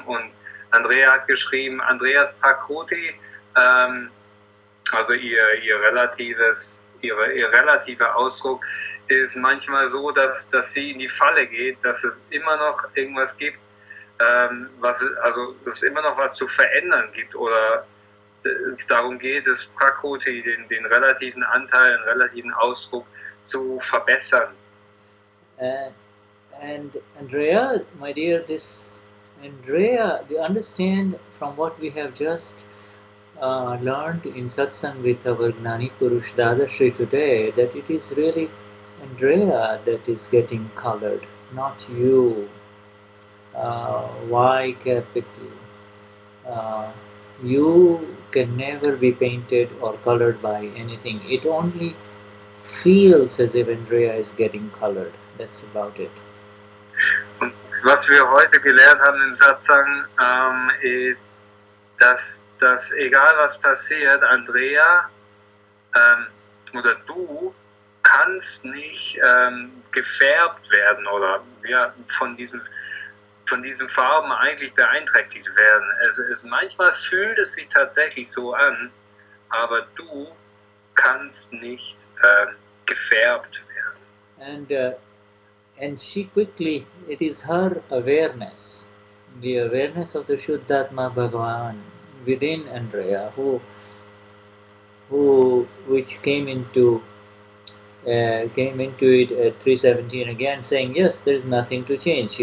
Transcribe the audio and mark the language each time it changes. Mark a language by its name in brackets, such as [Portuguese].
[German] Und Andrea hat geschrieben, Andreas Prakriti, also ihr relativer Ausdruck, ist manchmal so, dass sie in die Falle geht, dass es immer noch irgendwas gibt, dass es immer noch was zu verändern gibt oder es darum geht, das Prakriti, den relativen Anteil, den relativen Ausdruck zu verbessern. [English] And Andrea, my dear, this Andrea, we understand from what we have just learned in satsang with our Gnani Purush Dadashri today, that it is really Andrea that is getting colored, not you. Y capital. You can never be painted or colored by anything. It only feels as if Andrea is getting colored. That's about it. [German] Und was wir heute gelernt haben im Satsang, ist, dass egal was passiert, Andrea oder du kannst nicht gefärbt werden oder ja, von diesen Farben eigentlich beeinträchtigt werden. Manchmal fühlt es sich tatsächlich so an, aber du kannst nicht gefärbt werden. [English] And she quickly, it is her awareness, the awareness of the Shuddhatma Bhagavan within Andrea, which came into it at 317 again, saying, yes, there is nothing to change.